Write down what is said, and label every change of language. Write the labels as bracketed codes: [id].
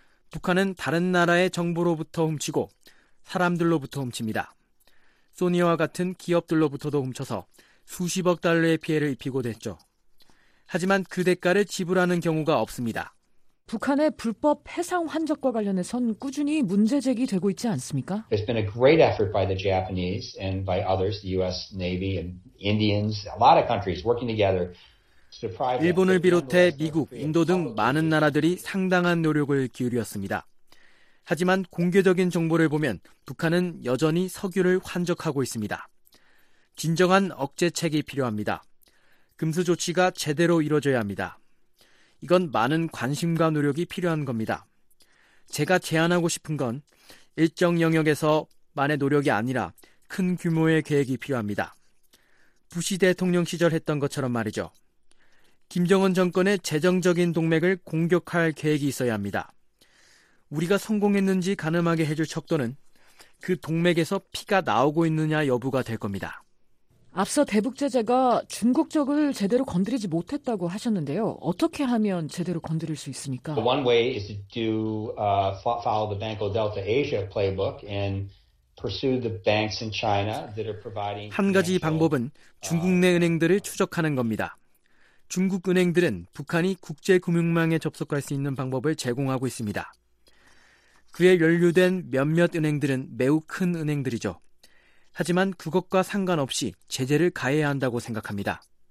[ko] 북한은 다른 나라의 정보로부터 훔치고 사람들로부터 훔칩니다. 소니와 같은 기업들로부터도 훔쳐서 수십억 달러의 피해를 입히고 됐죠. 하지만 그 대가를 지불하는 경우가 없습니다. 북한의 불법 해상 환적과 관련해선 꾸준히 문제 제기되고 있지 않습니까? [en] There's been a great effort by the Japanese and by others, the U.S. Navy and Indians, a lot of countries working together. [ko] 일본을 비롯해 미국, 인도 등 많은 나라들이 상당한 노력을 기울였습니다. 하지만 공개적인 정보를 보면 북한은 여전히 석유를 환적하고 있습니다. 진정한 억제책이 필요합니다. 금수 조치가 제대로 이루어져야 합니다. 이건 많은 관심과 노력이 필요한 겁니다. 제가 제안하고 싶은 건 일정 영역에서만의 노력이 아니라 큰 규모의 계획이 필요합니다. 부시 대통령 시절 했던 것처럼 말이죠. 김정은 정권의 재정적인 동맥을 공격할 계획이 있어야 합니다. 우리가 성공했는지 가늠하게 해줄 척도는 그 동맥에서 피가 나오고 있느냐 여부가 될 겁니다. 앞서 대북 제재가 중국 쪽을 제대로 건드리지 못했다고 하셨는데요. 어떻게 하면 제대로 건드릴 수 있습니까? [en] One way is to follow the Banco Delta Asia playbook and pursue the banks in China that are providing. [ko] 한 가지 방법은 중국 내 은행들을 추적하는 겁니다. 중국 은행들은 북한이 국제금융망에 접속할 수 있는 방법을 제공하고 있습니다. 그에 연루된 몇몇 은행들은 매우 큰 은행들이죠. 하지만 그것과 상관없이 제재를 가해야 한다고 생각합니다.